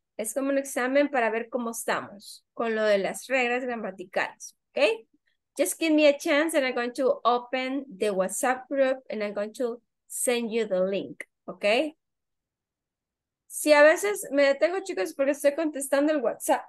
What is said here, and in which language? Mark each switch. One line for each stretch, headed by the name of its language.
Spanish: Es como un examen para ver cómo estamos con lo de las reglas gramaticales, okay?
English: Just give me a chance, and I'm going to open the WhatsApp group, and I'm going to send you the link, okay?
Spanish: Si a veces me detengo, chicos, porque estoy contestando el WhatsApp.